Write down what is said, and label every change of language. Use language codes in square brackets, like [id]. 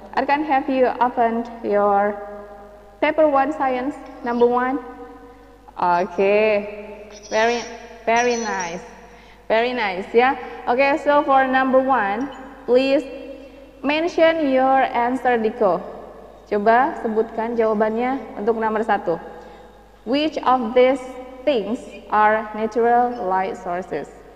[en] Arkan, have you opened your paper one science number one? Okay. Very, very nice. Very nice. Yeah. Okay. So for number one, please mention your answer, Diko. [id] Coba sebutkan jawabannya untuk nomor satu. [en] Which of these things are natural light sources?